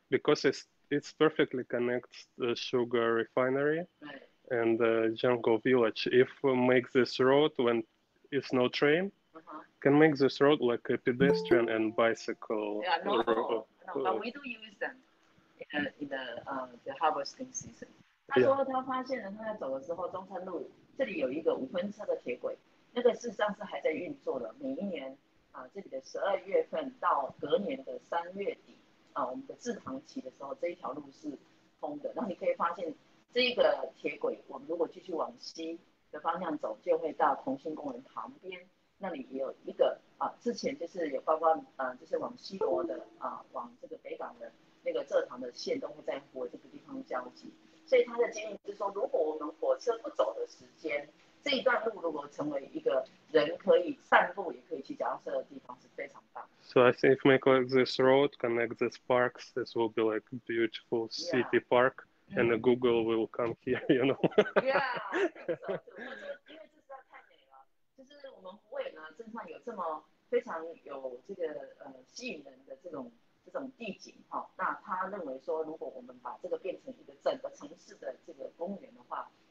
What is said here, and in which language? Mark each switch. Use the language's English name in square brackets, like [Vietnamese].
[English] because it's perfectly connects the sugar refinery right. and the jungle village. If we make this road when it's no train, uh-huh. can make this road like a pedestrian and bicycle. Yeah, no, road. No, but we do use them in the harvesting season. [Chinese] 他说他发现了他在走的时候，中山路这里有一个五分车的铁轨。那个事实上是还在运作的，每一年啊，这里的十二月份到隔年的三月底啊，我们的制糖期的时候，这一条路是通的。那你可以发现，这个铁轨，我们如果继续往西的方向走，就会到同心公园旁边，那里也有一个啊，之前就是有包括就是往西国的啊，往这个北港的那个蔗糖的线都会在湖尾这个地方交集。所以他的建议是说，如果我们火车不走的时间。这一段路如果成为一个人可以散步也可以骑脚踏车的地方是非常棒。 [English] So I think if we make like this road, connect these parks, this will be like a beautiful city yeah. park, and the Google will come here, you know. [Chinese] Yeah, 因为这实在太美了。就是我们湖尾呢，真的有这么非常有这个吸引人的这种地景哈、哦。那他认为说，如果我们把这个变成一个整个城市的这个公园的话。